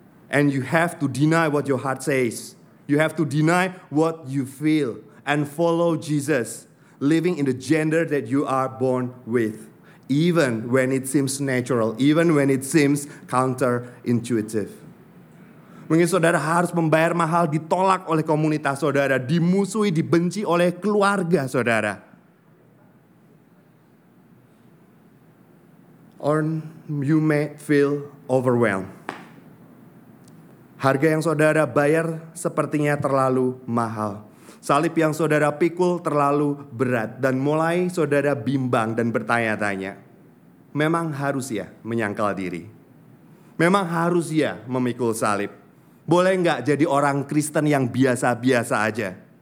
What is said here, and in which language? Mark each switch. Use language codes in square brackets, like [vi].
[en] And you have to deny what your heart says. You have to deny what you feel and follow Jesus, living in the gender that you are born with, even when it seems natural, even when it seems counterintuitive. [id] Mungkin saudara harus membayar mahal, ditolak oleh komunitas saudara, dimusuhi, dibenci oleh keluarga saudara. [en] Or you may feel overwhelmed. [id] Harga yang saudara bayar sepertinya terlalu mahal. Salib yang saudara pikul terlalu berat. Dan mulai saudara bimbang dan bertanya-tanya. Memang harus ya menyangkal diri. Memang harus ya memikul salib. Boleh gak jadi orang Kristen yang biasa-biasa aja?